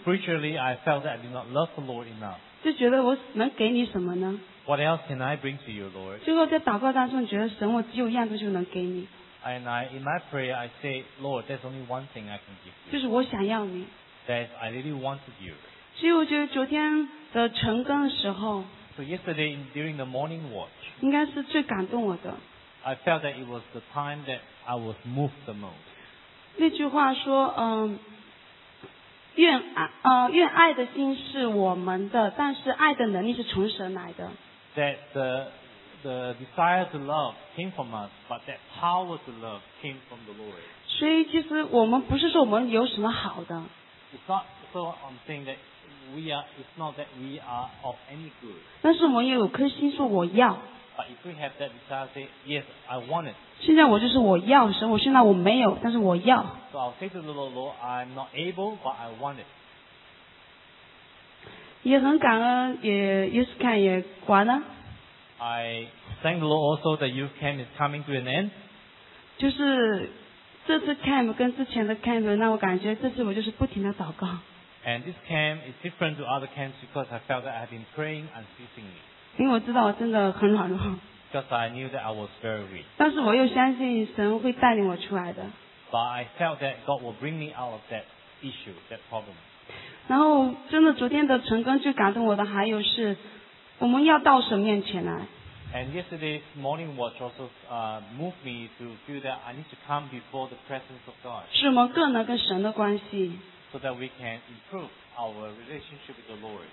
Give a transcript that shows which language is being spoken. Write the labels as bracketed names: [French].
[English] Spiritually, I felt that I did not love the Lord enough. [Chinese] 就觉得我能给你什么呢? [English] What else can I bring to you, Lord? [Chinese] 最后在祷告当中觉得神我只有一样就能给你。 [English] And I, in my prayer, I say, Lord, there's only one thing I can give you. [Chinese] 就是我想要你。 [English] That I really wanted you. [Chinese] 所以我觉得昨天的晨更的时候, [English] so yesterday, during the morning watch, [Chinese] 应该是最感动我的。 [English] I felt that it was the time that I was moved the most. [Chinese] 那句话说, 愿爱的心是我们的, 但是爱的能力是从神来的。 [English] That the desire to love came from us, but that power to love came from the Lord. [Chinese] 所以其实我们不是说我们有什么好的。 [English] It's not so I'm saying that we are, it's not that we are of any good. [Chinese] 但是我们也有颗心说我要。 [English] But if we have that desire, say, yes, I want it. [Chinese] 现在我就是我要, 神, 我现在我没有, 但是我要。 [English] So I'll say to the Lord, Lord, I'm not able, but I want it. [Chinese] 也很感恩, 也, Yuskan 也管啊。 [English] I thank the Lord also that youth camp is coming to an end. [Chinese] 就是这次 camp 跟之前的 camp 让我感觉这次我就是不停地祷告。 [English] And this camp is different to other camps because I felt that I have been praying unceasingly. [Chinese] 因为我知道我真的很软弱, [English] because I knew that I was very weak. [Chinese] 但是我又相信神会带领我出来的。 [English] But I felt that God will bring me out of that issue, that problem. [Chinese] 然后真的昨天的晨更最感动我的还有是, 我们要到神面前来。 [English] And yesterday's morning watch also moved me to feel that I need to come before the presence of God. [Chinese] 是我们更能跟神的关系。 [English] So that we can improve our relationship with the Lord.